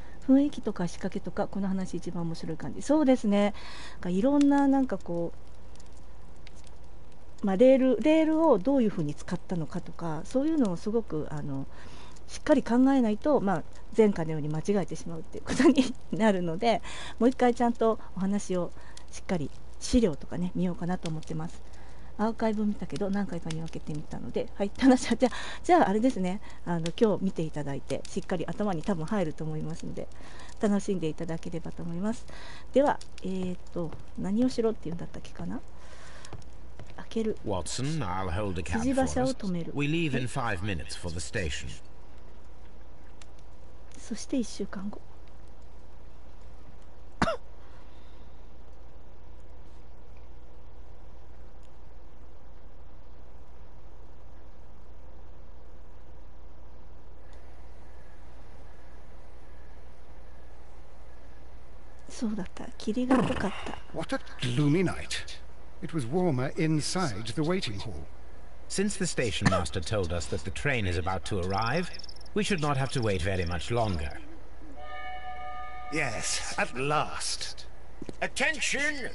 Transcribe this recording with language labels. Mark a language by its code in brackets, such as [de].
[ja] 雰囲気とか仕掛けとか、この話一番面白い感じ。そうですね、いろんななんかこう、まあ、レールをどういうふうに使ったのかとか、そういうのをすごくしっかり考えないと、まあ、前回のように間違えてしまうっていうことになるので、もう一回ちゃんとお話をしっかり資料とかね見ようかなと思ってます。アーカイブ見たけど何回かに分けてみたので、はい、話はじゃああれですね、今日見ていただいてしっかり頭に多分入ると思いますので楽しんでいただければと思います。では、何をしろっていうんだったっけかな。開ける、 [en] ワトソン、I'll hold the cab for us. [ja] 辻馬車を止める。 [en] We leave in 5 minutes for the station. [ja] そして1週間後そうだった。霧が濃かった。 [en] What a gloomy night. It was warmer inside the waiting hall. Since the station master told us that the train is about to arrive, we should not have to wait very much longer. Yes, at last. Attention!